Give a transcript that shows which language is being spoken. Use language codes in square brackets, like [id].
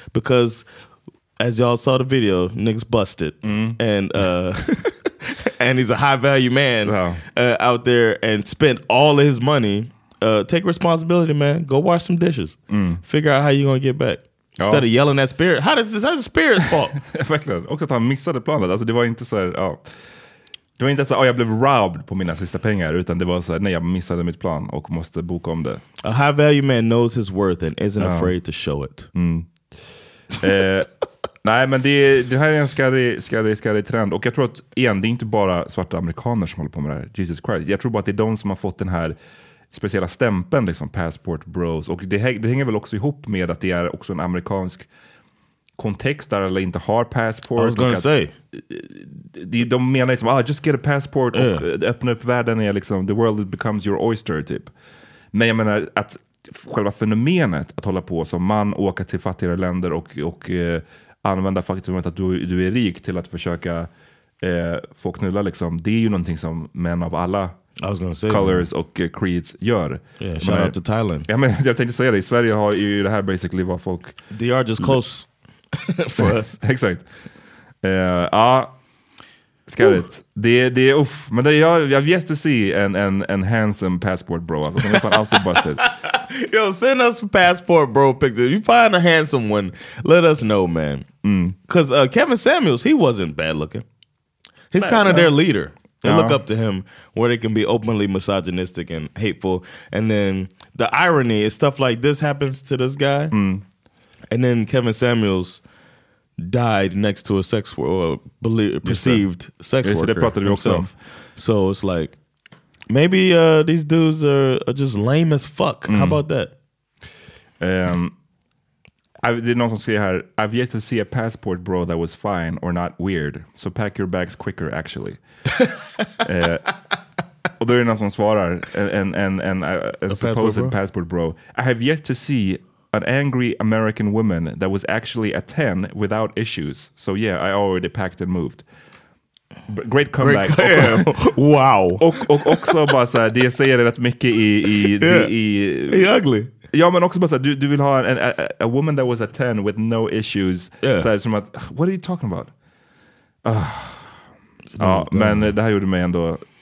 [en] Because as y'all saw the video, niggas busted. Mm. And and he's a high value man. Wow. Out there and spent all of his money. Take responsibility, man. Go wash some dishes. Mm. Figure out how you're going to get back. Instead of yelling at spirit. How is this? How is the spirit's fault? [sv] Verkligen. Och att han missade planet. Alltså det var inte så här, ja. Det var inte så att jag blev [en] robbed [sv] på mina sista pengar. Utan det var så här, nej, jag missade mitt plan och måste boka om det. [en] A high value man knows his worth and isn't afraid to show it. Mm. [sv] nej, men det här är en skarrig trend. Och jag tror att, igen, det är inte bara svarta amerikaner som håller på med det här. [en] Jesus Christ. [sv] Jag tror bara att det är de som har fått den här speciella stämpeln, liksom passport bros, och det hänger väl också ihop med att det är också en amerikansk kontext där alla inte har passport. [en] I was gonna say. [sv] De menar liksom, ah, [en] just get a passport [sv] och öppna upp världen, är liksom, [en] the world becomes your oyster, [sv] typ. Men jag menar att själva fenomenet att hålla på som man, åka till fattigare länder och använda faktumet att du är rik till att försöka få knulla, liksom, det är ju någonting som män av alla [en] I was gonna say, colors man. Och creeds gör. Yeah, shout out to Thailand. [sv] Ja, men jag tänkte säga det. I Sverige har ju det här [en] basically [sv] vad folk... [en] They are just close for us. [sv] Exakt. Ja. Skärligt. Det är uff. Men det, jag vet att se en [en] handsome [sv] passport bro. Alltså, kan vi fan alltid [en] bust it. Yo, send us passport bro pictures. You find a handsome one, let us know, man. Because Kevin Samuels, he wasn't bad looking. He's kind of their leader. They look up to him where they can be openly misogynistic and hateful. And then the irony is stuff like this happens to this guy. Mm. And then Kevin Samuels died next to a sex perceived sex worker himself. So it's like, maybe these dudes are just lame as fuck. Mm. How about that? I did not see her. I've yet to see a passport bro that was fine or not weird. So pack your bags quicker, actually. [sv] och då är det någon som svarar en [en] supposed passport bro. I have yet to see an angry American woman that was actually a 10 without issues. So yeah, I already packed and moved. Great comeback. Wow. [sv] och också bara så här, det säger rätt mycket i ugly. Ja, men också bara så här, du vill ha [en] a woman that was a 10 with no issues. Yeah. [sv] Så här, som att, [en] what are you talking about? [sv] Ja, men det här gjorde mig ändå.